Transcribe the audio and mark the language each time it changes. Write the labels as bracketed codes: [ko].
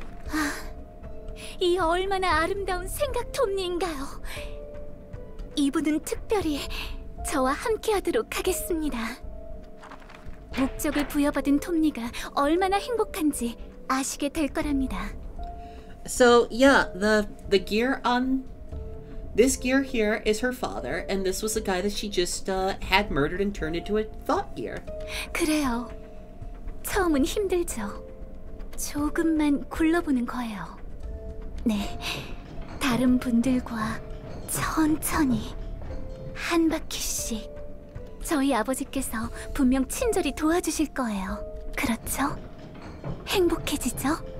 [ko] 아, 이 얼마나 아름다운 생각 톱니인가요? 이분은 특별히 저와 함께하도록 하겠습니다. 목적을 부여받은 톱니가 얼마나 행복한지 아시게 될 거랍니다. [en] So yeah, the gear on. This gear here is her father, and this was the guy that she just had murdered and turned into a thought gear. [ko] 그래요. 처음은 힘들죠. 조금만 굴러보는 거예요. 네. 다른 분들과 천천히 한 바퀴씩. 저희 아버지께서 분명 친절히 도와주실 거예요. 그렇죠? 행복해지죠?